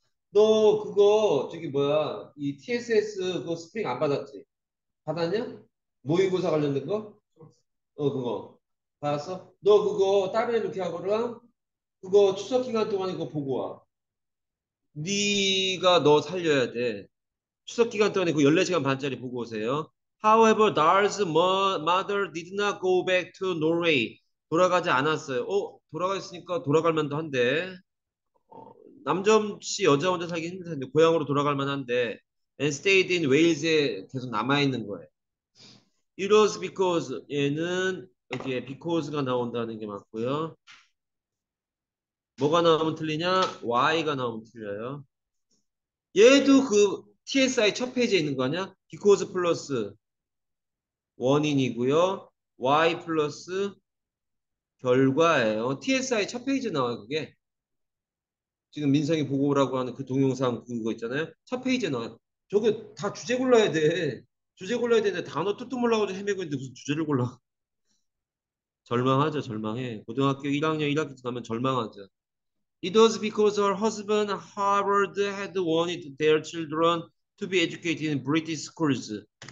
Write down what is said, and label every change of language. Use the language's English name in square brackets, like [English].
[Korean] 너 그거 저기 뭐야 이 TSS 그 스프링 안 받았지? 받았냐? 모의고사 관련된 거? 그거 받았어? 너 그거 다른 애들 기하고랑 그거 추석 기간 동안 이거 보고 와. 네가 너 살려야 돼. 추석 기간 동안에 그 14시간 반짜리 보고 오세요. [English] However, Dahl's mother did not go back to Norway. [Korean] 돌아가지 않았어요. 돌아가 있으니까 돌아갈 만도 한데. 남점 씨 여자 혼자 살기 힘든데 고향으로 돌아갈 만한데. [English] And stayed in Wales [Korean] 에 계속 남아있는 거예요. [English] It was because [Korean] 얘는 여기에 because가 나온다는 게 맞고요. 뭐가 나오면 틀리냐? Why가 나오면 틀려요. 얘도 그 TSI 첫 페이지에 있는 거 아니야? Because 플러스 원인이고요. Why 플러스 결과예요. TSI 첫 페이지에 나와요, 그게. 지금 민성이 보고 오라고 하는 그 동영상 그거 있잖아요. 첫 페이지에 나와요. 저거 다 주제 골라야 돼. 주제 골라야 되는데 단어 뚜뚜 몰라가지고 헤매고 있는데 무슨 주제를 골라. 절망하죠, 절망해. 고등학교 1학년 1학기 가면 절망하죠. [English] It was because her husband, Howard, had wanted their children to be educated in British schools.